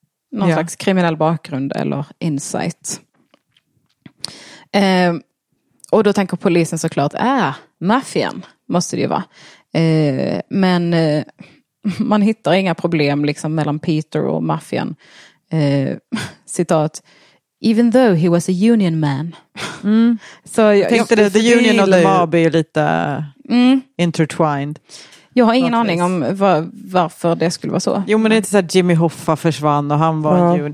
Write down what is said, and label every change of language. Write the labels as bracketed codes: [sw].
[sv] Någon slags kriminell bakgrund eller insight. Och då tänker polisen såklart, maffian måste det ju vara. Men man hittar inga problem liksom mellan Peter och maffian. [en] Citat, even though he was a union man. Mm. [sv] Så jag tänkte att [en] the union [sv] och [en] the mob [sv] är lite intertwined. Jag har ingen aning om varför det skulle vara så. Jo, men det är inte så att Jimmy Hoffa försvann och han var union.